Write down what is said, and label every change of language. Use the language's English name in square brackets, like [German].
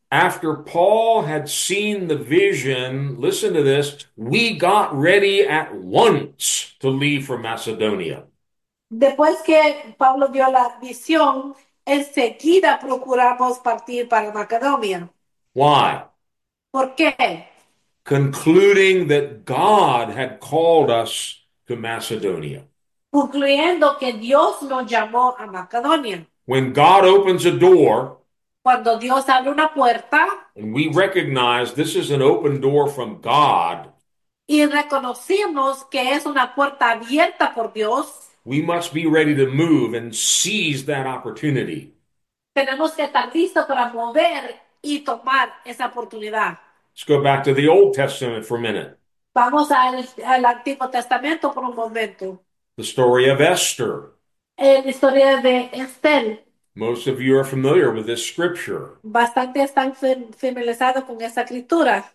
[English] After Paul had seen the vision, listen to this, we got ready at once to leave for Macedonia. [Spanish] Después que Pablo vio la visión, enseguida procuramos partir para Macedonia. [English] Why? [Spanish] ¿Por qué? [English] Concluding that God had called us to Macedonia. [Spanish] Concluyendo que Dios nos llamó a Macedonia. [English] When God opens a door, [Spanish] Cuando Dios abre una puerta [English] and we recognize this is an open door from God, [Spanish] y reconocimos que es una puerta abierta por Dios, [English] we must be ready to move and seize that opportunity. [Spanish] tenemos que estar listos para mover y tomar esa oportunidad. [English] Let's go back to the Old Testament for a minute. [Spanish] Vamos al Antiguo Testamento por un momento. [English] The story of Esther. [Spanish] La historia de Esther. [English] Most of you are familiar with this scripture. [Spanish] Bastante están familiarizados con esa escritura.